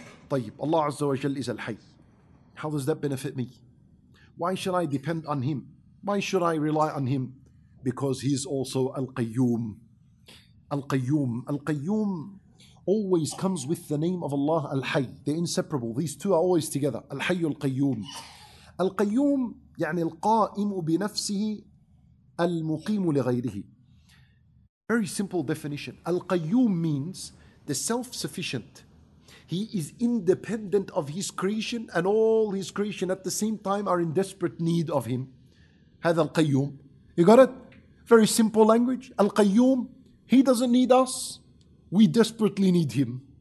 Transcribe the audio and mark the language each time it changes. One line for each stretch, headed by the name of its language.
English: طيب, Allah Azza wa Jal is Al-Hayy. How does that benefit me? Why should I depend on Him? Why should I rely on Him? Because He's also Al-Qayyum. Al-Qayyum. Al-Qayyum always comes with the name of Allah Al-Hayy. They're inseparable. These two are always together. Al-Hayy Al-Qayyum.
Arabic: Al-Qayyum, يعني القائم بنفسه المقيم لغيره.
English: Very simple definition. Al-Qayyum means the self-sufficient. He is independent of his creation, and all his creation at the same time are in desperate need of him.
Arabic: هذا القيوم.
English: You got it? Very simple language. Al-Qayyum, he doesn't need us. We desperately need him.